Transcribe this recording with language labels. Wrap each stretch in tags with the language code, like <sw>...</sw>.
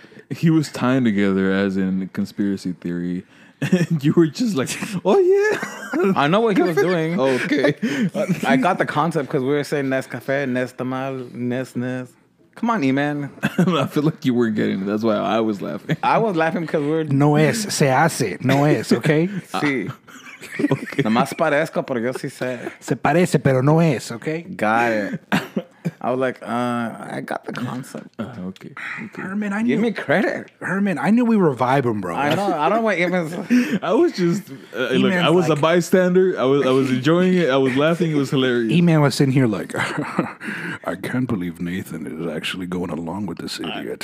<en>He was tying together as in conspiracy theory. And you were just like, oh, yeah. I know what he was doing. Okay. I got the concept because we were saying Nescafe, Nestamal, Nes. Come on, E-Man. I feel like you weren't getting it. That's why I was laughing. I was laughing because we're...</en> <es>No es, se hace. No es, okay? Sí. Okay. Nomás parezco, pero yo sí sé. Se parece, pero no es, okay?</es> <en>Got it. I was like, I got the concept. Okay. Herman, I give knew, me credit. Herman, I knew we were vibing, bro. I know. I don't want even. I was just, look, I was like, a bystander. I was enjoying it. I was laughing. It was hilarious. E-Man was sitting here like, I can't believe Nathan is actually going along with this idiot.</en>